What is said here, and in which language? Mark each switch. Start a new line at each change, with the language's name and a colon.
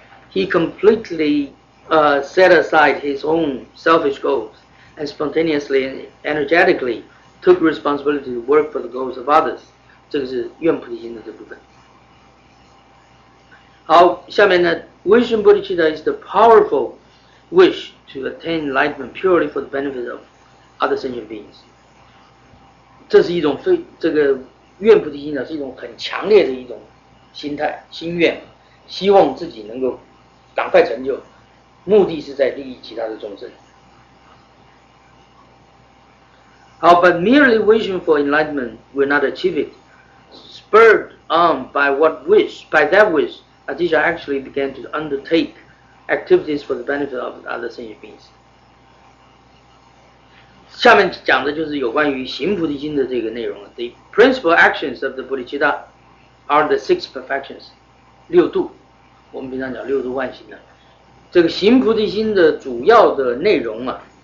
English: He completely set aside his own selfish goals and spontaneously and energetically took responsibility to work for the goals of others。
Chinese: 这个是愿菩提心的这部分。好，下面呢
English: ，wishing bodhicitta is the powerful wish to attain enlightenment purely for the benefit of other sentient beings。
Chinese: 这是一种非这个愿菩提心呢，是一种很强烈的一种心态、心愿，希望自己能够赶快成就，目的是在利益其他的众生。
English: 好 ，but merely wishing for enlightenment will not achieve it. Spurred on by that wish, Atisha actually began to undertake activities for the benefit of other sentient beings.
Chinese: 下面讲的就是有关于行菩提心的这个内容了。
English: The principal actions of the Bodhicitta are the six perfections, 六度。
Chinese: 我们平常讲六度万行的，这个行菩提心的主要的内容啊，